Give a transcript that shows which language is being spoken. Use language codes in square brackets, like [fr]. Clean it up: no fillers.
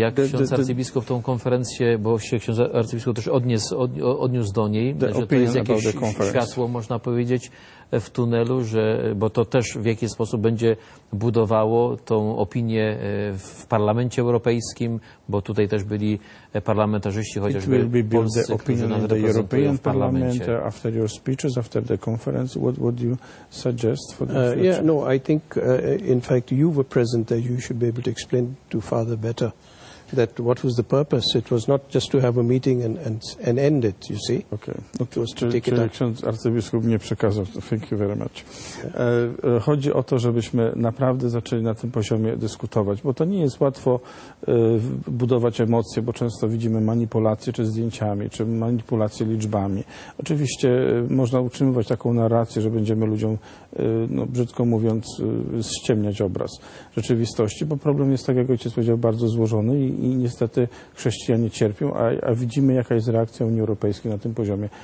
[pl] Jak ksiądz arcybiskup tą konferencję, bo się ksiądz arcybiskup też odniósł do niej, że to jest jakieś światło, można powiedzieć, w tunelu, że, bo to też w jakiś sposób będzie budowało tą opinię w Parlamencie Europejskim, bo tutaj też byli parlamentarzyści, chociażby polscy, którzy nam reprezentują w parlamencie. [en] After your speeches, after the conference, what would you suggest for the future? Yeah, no, I think, in fact, you were present there, you should be able to explain to Father better that what was the purpose. It was not just to have a meeting and end it, you see. Okay. No to, it was to take it up. [pl] Ksiądz arcybiskup nie przekazał. [en] Thank you very much. [pl] Chodzi o to, żebyśmy naprawdę zaczęli na tym poziomie dyskutować, bo to nie jest łatwo budować emocje, bo często widzimy manipulacje czy zdjęciami, czy manipulacje liczbami. Oczywiście można utrzymywać taką narrację, że będziemy ludziom, no, brzydko mówiąc, ściemniać obraz rzeczywistości, bo problem jest, tak jak ojciec powiedział, bardzo złożony i niestety chrześcijanie cierpią, a widzimy, jaka jest reakcja Unii Europejskiej na tym poziomie.